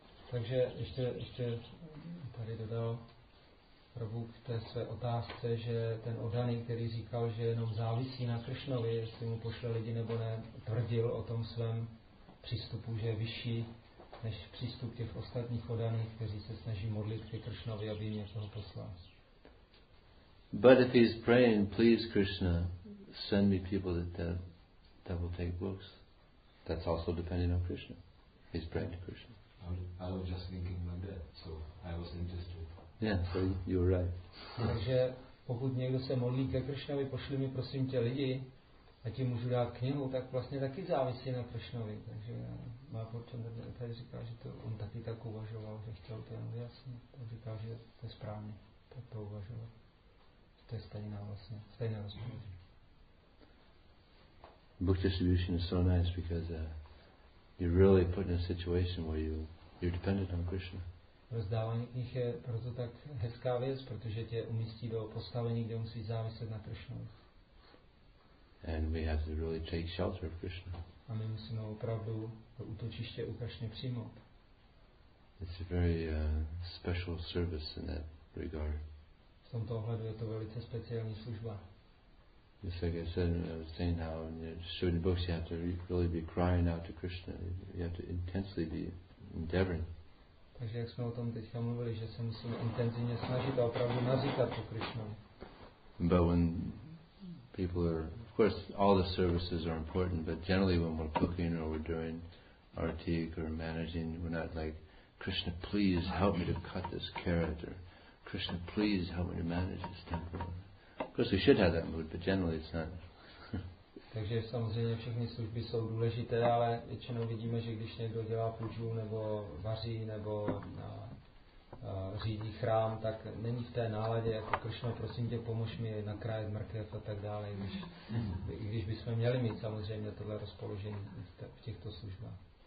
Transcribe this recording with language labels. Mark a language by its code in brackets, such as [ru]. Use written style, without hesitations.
[cs] Takže ještě tady dodal Prabhu k té své otázce, že ten oddaný, který říkal, že jenom závisí na Krišnovi, jestli mu pošle lidi nebo ne, tvrdil o tom svém přístupu, že je vyšší než přístup těch ostatních oddaných, kteří se snaží modlit ke Krišnovi, aby jim někoho poslal. [en] But if he's praying, please Krishna, send me people that will take books. That's also depending on Krishna. He's praying to Krishna. I was just thinking like that, so I was interested. Yeah, so you were right. [cs] Takže pokud někdo se modlí ke Krišnovi, pošli mi prosím tě lidi, a tím můžu dát knihu, tak vlastně taky závisí na Krišnovi. Takže Mahaprabhu tady říká, že to on taky tak uvažoval, že chtěl to jenom vyjasnit. Tak říká, že to je správně, tak to uvažoval. To je stejná rozpověď. [en] Book distribution is so nice because you're really put in a situation where you're dependent on Krishna. [cs] Rozdávání knih je proto tak hezká věc, protože tě umístí do postavení, kde musíš záviset na Krišnovi. [en] And we have to really take shelter of Krishna. [cs] A my musíme opravdu to útočiště u Krišny přijmout. [en] It's a very special service in that regard. [cs] V tomto ohledu je to velice speciální služba. [en] Just like I was saying how in certain books you have to really be crying out to Krishna. You have to intensely be endeavoring. [cs] Takže jak jsme o tom teďka mluvili, že se musíme intenzivně snažit a opravdu naříkat to Krišna. [en] But when people are, of course, all the services are important, but generally when we're cooking or we're doing artik or managing, we're not like, Krishna, please help me to cut this carrot, or Krishna, please help me to manage this temple. Of course, we should have that mood, but generally it's not. [cs] Takže samozřejmě všechny služby jsou důležité, ale většinou vidíme, že když někdo dělá pujů, nebo vaří, nebo řídí chrám, tak není v té náladě, jako Krishna, prosím tě, pomož mi nakrájet mrkev a tak dále, i když bychom měli mít samozřejmě tohle rozpoložení v těchto službách.